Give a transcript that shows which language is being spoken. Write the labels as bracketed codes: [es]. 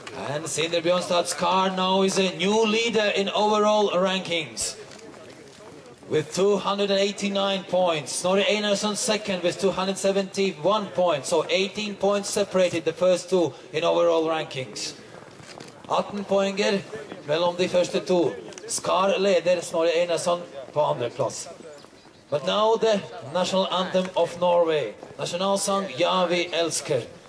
[en] And Sindre Bjørnstad Skar now is a new leader in overall rankings. With 289 points. Snorri Einarsson second with 271 points. So 18 points separated the first two in overall rankings. [no] 18 poenger mellom de første to. Skar leder Snorri Einarsson på andre plass. [en] But now the national anthem of Norway. National song Ja vi elsker.